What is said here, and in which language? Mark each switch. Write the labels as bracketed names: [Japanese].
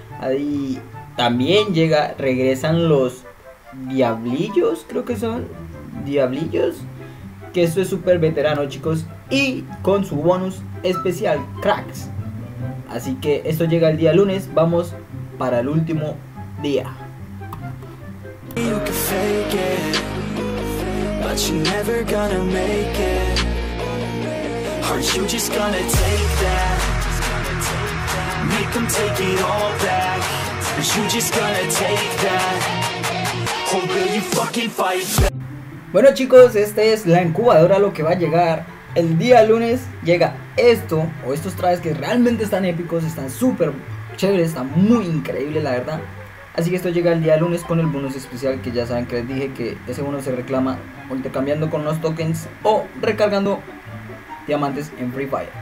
[Spanish] Ahí también llega, regresan los diablillos, creo que son diablillos, que eso es súper veterano, chicos, y con su bonus especial, cracks. Así que esto llega el día lunes, vamos para el último día. [English] You can fake it, but you're never gonna make it. Aren't you just gonna take that? Make them take it all back. Aren't you just gonna take that? Or will you fucking fight back? [Spanish] Bueno, chicos, esta es la incubadora, lo que va a llegar. El día lunes llega esto, o estos trajes que realmente están épicos, están súper chéveres, están muy increíbles, la verdad. Así que esto llega el día lunes con el bonus especial, que ya saben que les dije que ese bonus se reclama intercambiando con los tokens o recargando diamantes en Free Fire.